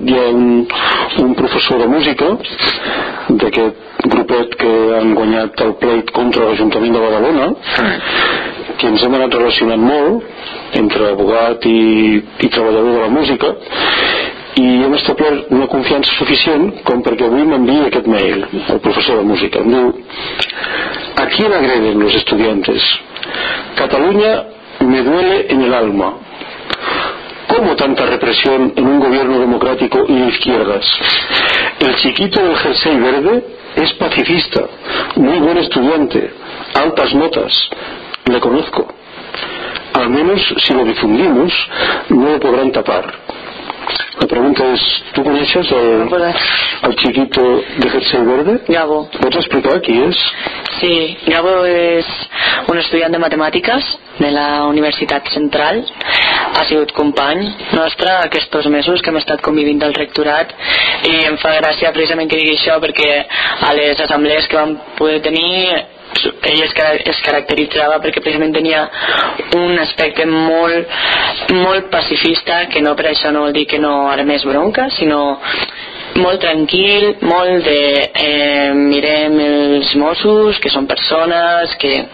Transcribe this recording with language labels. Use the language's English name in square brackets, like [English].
[Catalan] Hi ha un professor de música d'aquest grupet que han guanyat el pleit contra l'Ajuntament de Badalona, que ens hem anat relacionant molt entre abogat i treballador de la música, i hem establert una confiança suficient com perquè avui m'enviï aquest mail el professor de música. Em diu: [Spanish] ¿a quién agreden los estudiantes? Cataluña me duele en el alma. ¿Cómo tanta represión en un gobierno democrático y de izquierdas? El chiquito del jersey verde es pacifista, muy buen estudiante, altas notas, le conozco. Al menos si lo difundimos, no lo podrán tapar. La pregunta es, ¿tú coneixes el chiquito de jersey verde? Gabo. [Catalan] ¿Vos explicar qui és? Sí, Gabo és un estudiant de matemàtiques de la Universitat Central. Ha sigut company nostre aquests mesos que hem estat convivint al rectorat, i em fa gràcia precisament que digui això, perquè a les assemblees que vam poder tenir ell es caracteritzava perquè precisament tenia un aspecte molt, molt pacifista, que no per això no vol dir que no armés bronca, sinó molt tranquil, molt de mirem els Mossos, que són persones, que